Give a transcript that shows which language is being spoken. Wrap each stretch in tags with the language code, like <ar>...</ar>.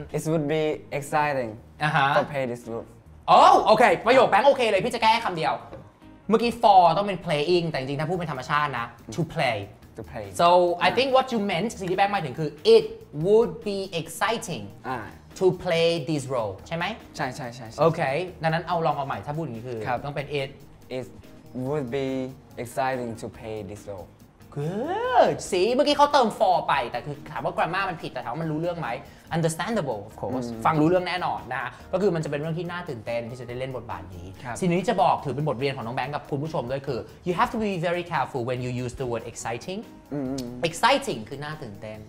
<en>it would be exciting to play this role. Oh, okay.</en> <th>ประโยคแป้งโอเคเลยพี่จะแก้แค่คำเดียวเมื่อกี้ for ต้องเป็น playing แต่จริงๆถ้าพูดเป็นธรรมชาตินะ to play</th> <en>so I think what you meant</en> <th>สิ่งที่แป้งหมายถึงคือ</th> <en>it would be exciting to play this role</en> <th>ใช่ไหม ใช่ โอเคดังนั้นเอาลองเอาใหม่ถ้าพูดอย่างนี้คือต้องเป็น</th> <en>it would be exciting to play this role</en> <th>good สิเมื่อกี้เขาเติม for ไปแต่คือถามว่า grammar มันผิดแต่ถามว่ามันรู้เรื่องไหม</th> <en>understandable of course</en> <th>ฟังรู้เรื่องแน่นอนนะก็คือมันจะเป็นเรื่องที่น่าตื่นเต้นที่จะได้เล่นบทบาทนี้ สิ่งนี้จะบอกถือเป็นบทเรียนของน้องแบงค์กับคุณผู้ชมด้วยคือ</th> <en>you have to be very careful when you use the word exciting</en> <th>exciting คือน่าตื่นเต้น</th>